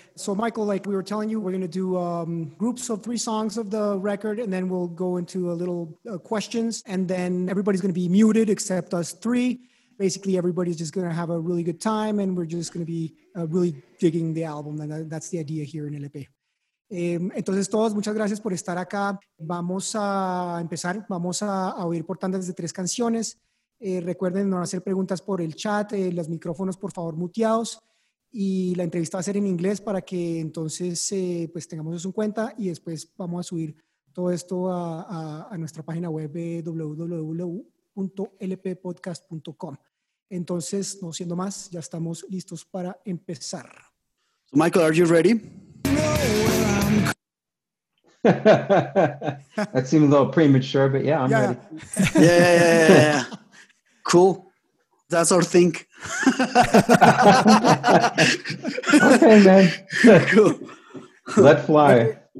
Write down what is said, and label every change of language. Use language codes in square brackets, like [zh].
[en] So Michael, like we were telling you, we're going to do groups of 3 songs of the record, and then we'll go into a little questions, and then everybody's going to be muted except us three. Basically, everybody's just going to have a really good time, and we're just going to be really digging the album, and that's the idea here in El EP. [es] Entonces, todos, muchas gracias por estar acá. Vamos a empezar, vamos a oír por tandas de 3 canciones. Recuerden no hacer preguntas por el chat, los micrófonos, por favor, muteados. Y la entrevista va a ser en inglés para que entonces pues tengamos eso en cuenta, y después vamos a subir todo esto a nuestra página web www.lppodcast.com. Entonces, no siendo más, ya estamos listos para empezar. [en] So Michael, are you ready? That seemed a little premature, but yeah, I'm ready. Yeah. Cool. That's our thing. Okay, man. Cool. Let fly.